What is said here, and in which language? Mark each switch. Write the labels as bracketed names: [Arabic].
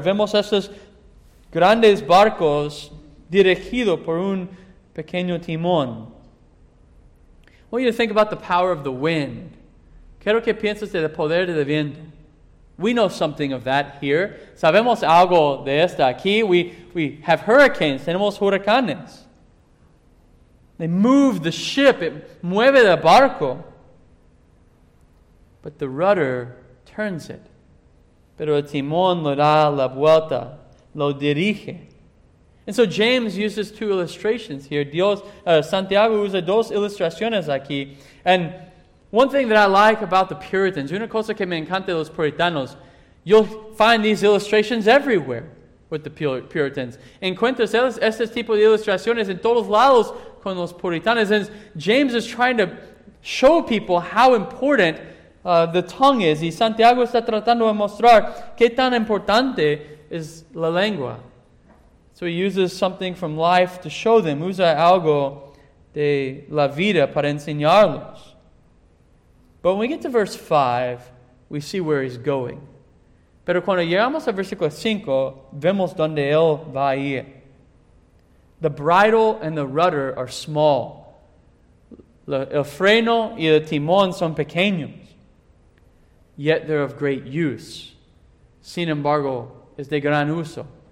[Spanish] Vemos esos grandes barcos dirigidos por un pequeño timón. [English] I want you to think about the power of the wind. [Spanish] Quiero que pienses de el poder del viento. [English] We know something of that here. [Spanish] Sabemos algo de esta aquí. [English] We have hurricanes. [Spanish] Tenemos huracanes. [English] They move the ship. It [Spanish] mueve el barco. [English] But the rudder turns it. [Spanish] Pero el timón lo da la vuelta. Lo dirige. [English] And so James uses two illustrations here. [Spanish] Santiago usa dos ilustraciones aquí. [English] And one thing that I like about the Puritans, [Spanish] una cosa que me encanta de los puritanos, [English] you'll find these illustrations everywhere with the Puritans. [Spanish] Encuentras este tipo de ilustraciones en todos lados con los puritanos. [English] And James is trying to show people how important the tongue is. [Spanish] Y Santiago está tratando de mostrar qué tan importante es la lengua. [English] So he uses something from life to show them. [Spanish] Usa algo de la vida para enseñarlos. [English] But when we get to verse 5, we see where he's going. [Spanish] Pero cuando llegamos a versículo 5, vemos donde él va a ir. [English] The bridle and the rudder are small. [Spanish] El freno y el timón son pequeños. [English] Yet they're of great use. [Spanish] Sin embargo, es de gran uso.